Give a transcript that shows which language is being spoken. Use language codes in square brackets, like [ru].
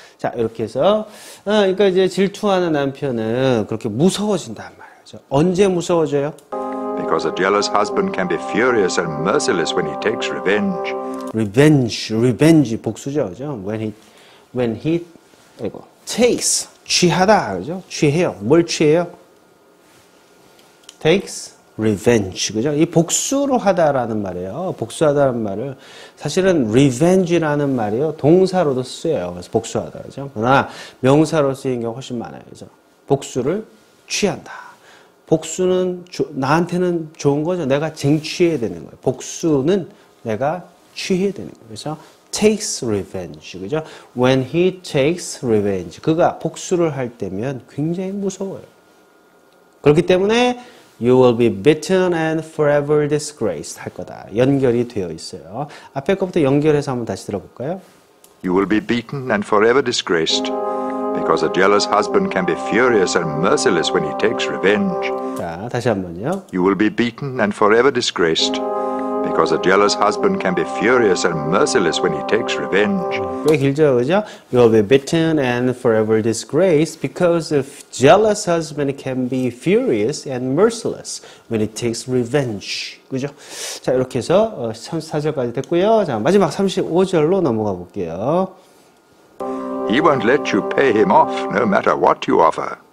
[ko] 자, 이렇게 해서, 그러니까 이제 질투하는 남편은 그렇게 무서워진단 말이죠. 언제 무서워져요? [en] Because a jealous husband can be furious and merciless when he takes revenge. [ko] Revenge, 복수죠. 그죠? [en] When he, [ko] 아이고, takes, 취하다. 그죠? 취해요. 뭘 취해요? Takes. Revenge, 그죠? 이 복수로 하다라는 말이에요. 복수하다라는 말을 사실은 revenge라는 말이요. 동사로도 쓰여요. 그래서 복수하다, 그죠? 그러나 명사로 쓰인 경우가 훨씬 많아요. 그죠? 복수를 취한다. 복수는 나한테는 좋은 거죠. 내가 쟁취해야 되는 거예요. 복수는 내가 취해야 되는 거예요. 그래서 [en] takes revenge, [ko] 그죠? [en] When he takes revenge, [ko] 그가 복수를 할 때면 굉장히 무서워요. 그렇기 때문에 [en] You will be beaten and forever disgraced [ko] 할 거다. 연결이 되어 있어요. 앞에 것부터 연결해서 한번 다시 들어볼까요? [en] You will be beaten and forever disgraced because a jealous husband can be furious and merciless when he takes revenge. [ko] 자, 다시 한번요. [en] You will be beaten and forever disgraced because a jealous husband can be furious and merciless when he takes revenge. [ko] 꽤 길죠, 그죠? [en] You will be beaten and forever disgraced because a jealous husband can be furious and merciless when he takes revenge. [ko] 그죠? 자, 이렇게 해서 34절까지 됐고요. 자, 마지막 35절로 넘어가 볼게요. [en] He won't let you pay him off no matter what you offer.